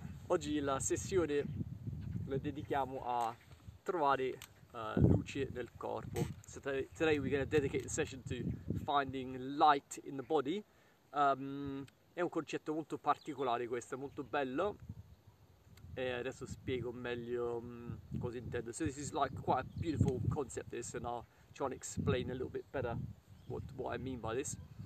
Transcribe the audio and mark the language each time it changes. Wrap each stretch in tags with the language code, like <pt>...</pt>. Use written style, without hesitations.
<it>Oggi la sessione la dedichiamo a trovare luce nel corpo.</it> <en>So today we're going to dedicate the session to finding light in the body.</en> <it>È un concetto molto particolare questo, molto bello, e adesso spiego meglio cosa intendo.</it> <en>So this is like quite a beautiful concept, this, and I'll try and explain a little bit better what I mean by this.</en>